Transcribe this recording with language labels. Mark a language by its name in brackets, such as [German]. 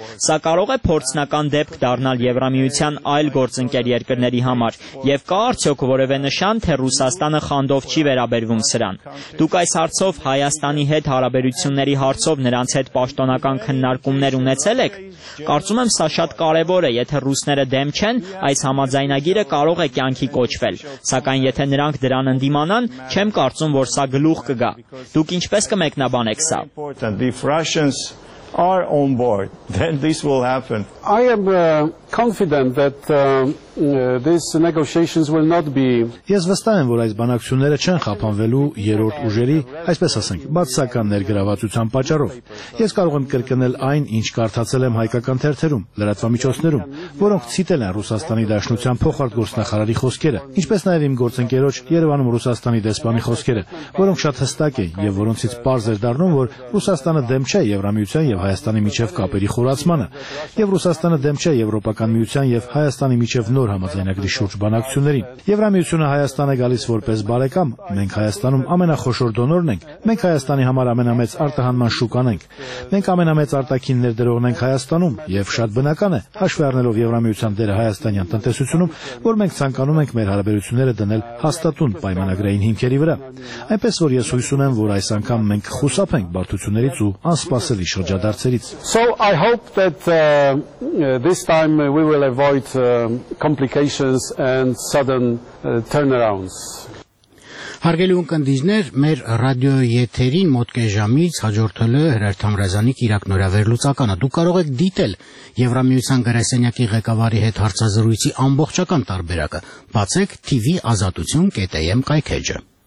[Armenian] Սա կարող է փորձնական դեպք դառնալ Եվրամիության այլ գործընկեր երկրների համար, և կա արդյոք որևէ նշան, թե Ռուսաստանը խանդով չի վերաբերվում սրան։ Դուք այս հարցով, Հայաստանի հետ հարաբերությունների հարցով նրանց հետ պաշտոնական քննարկումներ ունեցել եք։ Կարծում եմ, սա շատ կարևոր է, եթե ռուսները դեմ չեն, այս համաձայնագիրը կարող է կյանքի կոչվել, սակայն եթե նրանք դրան ընդդիմանան, չեմ կարծում, որ սա գլուխ կգա։ Դուք ինչպես կմեկնաբանեք սա։ [English] Are on board, then this will happen. I am confident that these negotiations will not be. [Armenian] Ես վստահ եմ, որ այս բանակցությունները չեն խափանվելու երրորդ ուժերի, այսպես ասենք, բացասական ներգրավվածության պատճառով։ Ես կարող եմ կրկնել այն, ինչ կարդացել եմ հայկական թերթերում, լրատվամիջոցներում, որոնք ցիտել են Ռուսաստանի Դաշնության փոխարտ գործնախարարի խոսքերը, ինչպես նաև իմ գործընկերոջ Երևանում Ռուսաստանի դեսպանի խոսքերը, որոնք շատ հստակ են և որոնցից պարզ էր դառնում, որ Ռուսաստանը դեմ չէ Եվրամիության և Հայաստանի միջև կապերի խորացմանը, և Ռուսաստանը դեմ չէ Եվրոպական միության և Հայաստանի միջև նոր համաձայնագրի շուրջ բանակցություններին։ Եվրամիությունը Հայաստան է գալիս որպես բարեկամ, մենք Հայաստանում ամենախոշոր դոնորն ենք, մենք Հայաստանի համար ամենամեծ արտահանման շուկան ենք, մենք ամենամեծ արտաքին ներդրողն ենք Հայաստանում, և շատ բնական է, հաշվի առնելով Եվրամիության դերը հայաստանյան տնտեսությունում, որ մենք ցանկանում ենք մեր հարաբերությունները դնել հաստատուն պայմանագրային հիմքերի վրա։ Այնպես որ ես հույս ունեմ, որ այս անգամ մենք խուսափենք բարդություններից ու անսպասելի շուրջ [English] So I hope that this time we will avoid complications and sudden turnarounds. [Armenian] Հարգելի ընկերներ, մեր ռադիոյեթերին մոտ կեժամից հաջորդել է Հրաչյան Ռազանի իրակնորավեր լուսականը։ Դուք կարող եք դիտել Եվրամիության գրասենյակի ղեկավարի հետ հարցազրույցի ամբողջական տարբերակը։ Բացեք tvazatutyun.am կայքեջը։